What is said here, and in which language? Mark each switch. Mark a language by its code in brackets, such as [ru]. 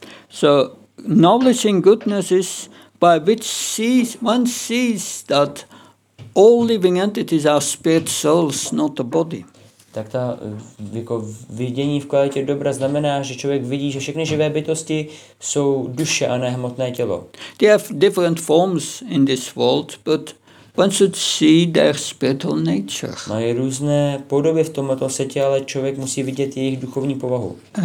[en] So knowledge in goodness is by which one sees that all living entities are spirit souls, not a body. [cs] Tak ta jako vidění v kvalitě dobra znamená, že člověk vidí, že všechny živé bytosti jsou duše a ne hmotné tělo. [en] They have different forms in this world, but one should see their spiritual nature. [cs] Mají různé podoby v tomto světě, ale člověk musí vidět jejich duchovní povahu.